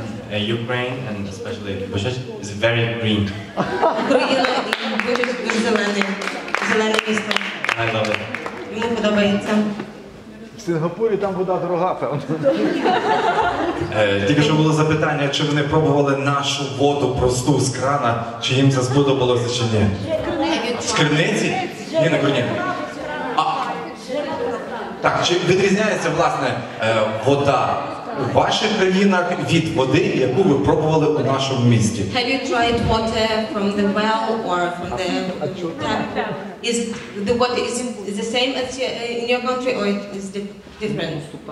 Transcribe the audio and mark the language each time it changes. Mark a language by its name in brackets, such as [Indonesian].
[English] And Ukraine and especially Bushehr is very green. [Ukrainian] Україна і Бучач дуже зелені. Зелене місто. [English] I love it. [Ukrainian] Йому подобається. В Сингапурі там вода дорога, певно. Тільки що було запитання, чи вони пробували нашу воду просту з крана, чи їм це сподобалося, чи ні? Криниці. З криниці? Ні, на корні. Так, чи відрізняється, власне, вода у ваших країнах від води, яку ви пробували у нашому місті? [English] Have you tried water from the well or from the is the water is the same as in your country or it is different?